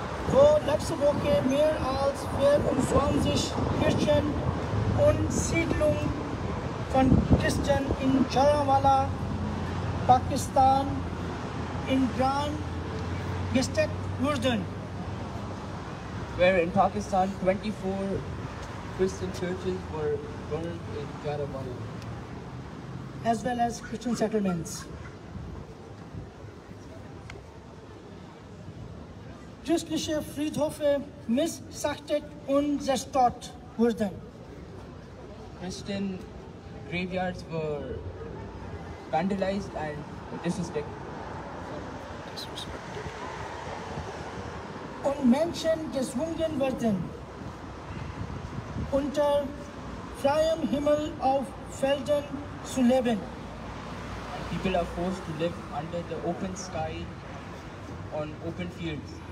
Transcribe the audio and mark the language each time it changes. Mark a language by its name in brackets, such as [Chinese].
[German] wo letzte Woche mehr als 24 Kirchen und Siedlungen von Christen in Jallianwala, Pakistan, in Brand gesteckt wurden. [English] Where in Pakistan 24 Christian churches were burned in Jallianwala, as well as Christian settlements. [German] Christliche Friedhöfe missachtet und zerstört wurden. [English] Christian graveyards were vandalized and disrespected. [German] Und Menschen gezwungen werden, unter freiem Himmel auf Feldern zu leben. [English] People are forced to live under the open sky on open fields.